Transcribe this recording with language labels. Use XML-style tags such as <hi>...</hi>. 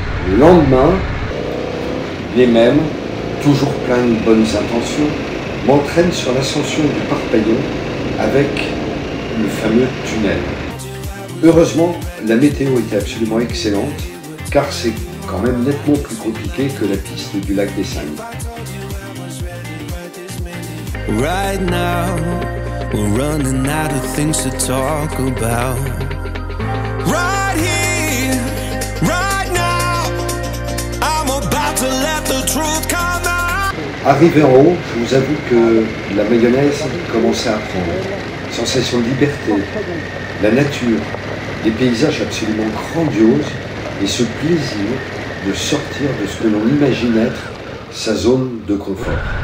<fr>Le lendemain, les mêmes, toujours plein de bonnes intentions, m'entraînent sur l'ascension du Parpaillon avec le fameux tunnel. Heureusement, la météo était absolument excellente, car c'est quand même nettement plus compliqué que la piste du lac des Cygnes.</fr> <en>Right now, we're running out of things to talk about. Right here, right now, I'm about to let the truth come out.</en> <fr>Arrivé en haut, je vous avoue que la mayonnaise commençait à prendre. Sensation de liberté, la nature, des paysages absolument grandioses et ce plaisir de sortir de ce que l'on imagine être sa zone de confort.</fr>